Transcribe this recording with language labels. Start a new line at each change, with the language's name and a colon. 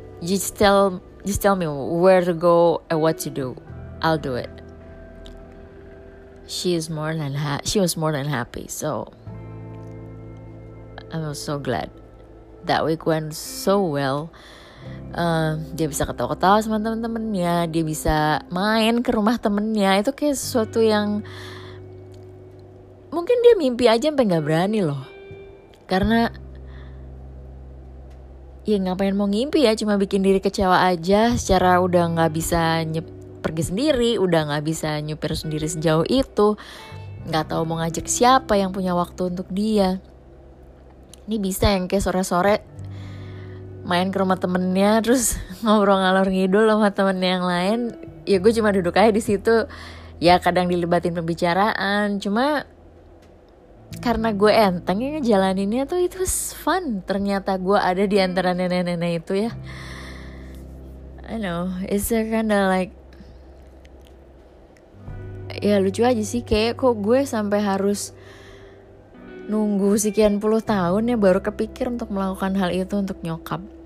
English: Just tell me where to go and what to do. I'll do it. She was more than happy. So I was so glad that week went so well.
Indonesian: Dia bisa ketawa-ketawa sama teman-temannya, dia bisa main ke rumah temennya. Itu kayak sesuatu yang mungkin dia mimpi aja sampai enggak berani loh. Karena ya ngapain mau ngimpi ya, cuma bikin diri kecewa aja. Secara udah gak bisa pergi sendiri, udah gak bisa nyupir sendiri sejauh itu, gak tahu mau ngajak siapa yang punya waktu untuk dia. Ini bisa yang kayak sore-sore main ke rumah temennya, terus ngobrol ngalor ngidul sama temennya yang lain. Ya gue cuma duduk aja di situ. Ya kadang dilibatin pembicaraan, cuma karena gue enteng ya ngejalaninnya tuh, itu fun. Ternyata gue ada di antara nenek-nenek itu ya.
English: I know, it's a kinda like,
Indonesian: ya lucu aja sih. Kayak kok gue sampai harus nunggu sekian puluh tahun ya baru kepikir untuk melakukan hal itu untuk nyokap.